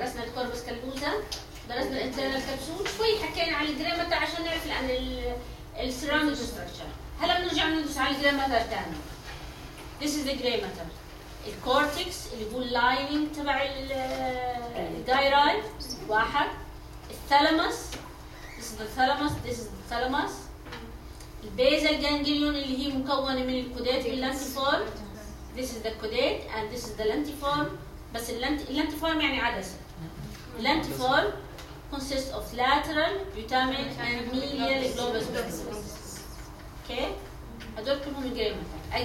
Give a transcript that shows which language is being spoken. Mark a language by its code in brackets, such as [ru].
[ar] درسنا الكوربس كالوزا, درسنا الانترنال كابسول, شوي حكينا عن الجري ماتر عشان نعرف عن السيراميك ستراكشر. هلا بنرجع ندرس على الجري ماتر ثاني. [en] This is the gray matter. The cortex, [ar] اللي هو lining تبع الجايرايد, واحد. [en] الثالاموس, this is the thalamus, this is the thalamus. The basal ganglion, [ar] اللي هي مكونة من الكودات واللنتيفور. [en] This is the caudate and this is the lentiform. [ar] بس اللنتيفورم يعني عدسة. [en] Lentiform consists of lateral, putamen and medial globus pallidus. Okay? [ar] هدول كلهم gray matter.